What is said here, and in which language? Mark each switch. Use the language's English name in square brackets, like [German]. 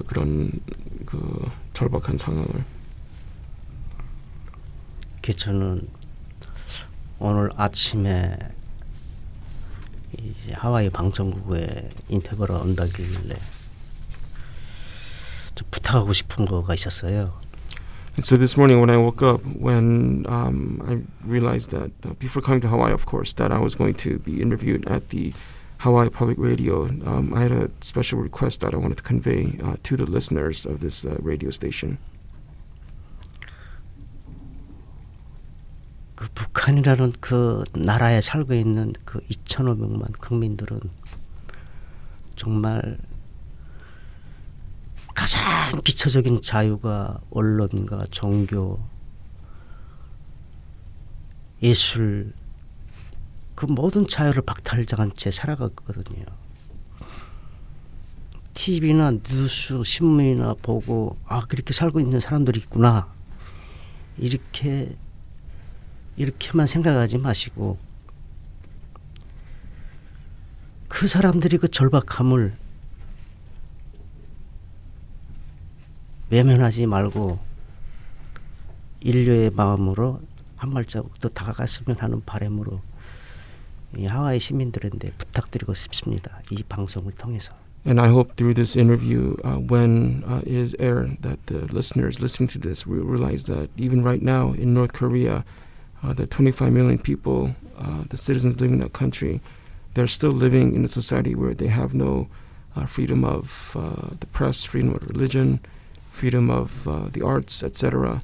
[Korean] 그런 그 절박한 상황을. 저는 오늘 아침에 이 하와이 방송국에 인터뷰를 온다길래 좀 부탁하고 싶은 거가 있었어요. [English] And so this morning when I woke up, when I realized that before coming to Hawaii, of course, that I was going to be interviewed at the Hawaii Public Radio, I had a special request that I wanted to convey to the listeners of this radio station. [Korean] 그 북한이라는 그 나라에 살고 있는 그 2,500만 국민들은 정말 가장 기초적인 자유가 언론과 종교, 예술, 그 모든 자유를 박탈당한 채 살아갔거든요. TV나 뉴스, 신문이나 보고 아 그렇게 살고 있는 사람들이 있구나 이렇게만 생각하지 마시고 그 사람들이 그 절박함을 외면하지 말고 인류의 마음으로 한 발짝 더 다가갔으면 하는 바람으로 이 하와이 시민들한테 부탁드리고 싶습니다. 이 방송을 통해서. [English] And I hope through this interview, when is aired, that the listeners listening to this will realize that even right now in North Korea, the 25 million people, the citizens living in that country, they're still living in a society where they have no freedom of the press, freedom of religion, freedom of the arts, etc.